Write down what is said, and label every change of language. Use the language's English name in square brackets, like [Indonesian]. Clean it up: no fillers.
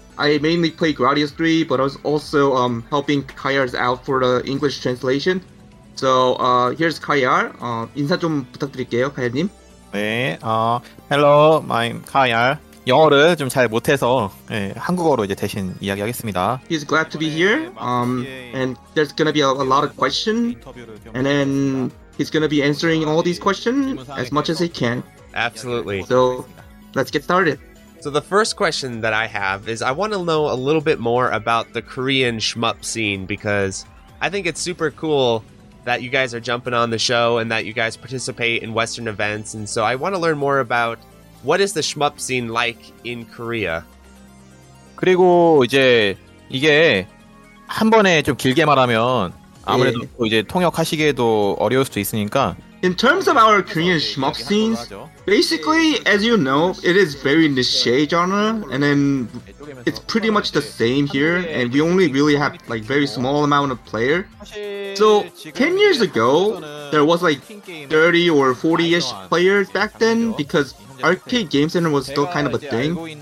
[English] I mainly play Gradius 3, but I was also helping Kayar out for the English translation. So here's Kayar. [Korean] 인사 좀 부탁드릴게요, 카야님. [English] 네, hello, I'm Kayar. [Korean] 영어를 좀 잘 못해서 예, 한국어로 이제 대신 이야기하겠습니다. [English] He's glad to be here. And there's gonna be a lot of questions. And then he's gonna be answering all these questions as much as he can. Absolutely. So let's get started. So the first question that I have is I want to know a little bit more about the Korean shmup scene, because I think it's super cool that you guys are jumping on the show and that you guys participate in Western events. And so I want to learn more about what is the shmup scene like in Korea? [Korean] 그리고 이제 이게 한 번에 좀 길게 말하면 아무래도 yeah. 이제 통역하시기에도 어려울 수도 있으니까. [English] In terms of our Korean shmup scenes, basically, as you know, it is very niche genre, and then it's pretty much the same here, and we only really have like very small amount of player. So 10 years ago, there was like 30 or 40-ish players back then, because arcade game center was still kind of a thing.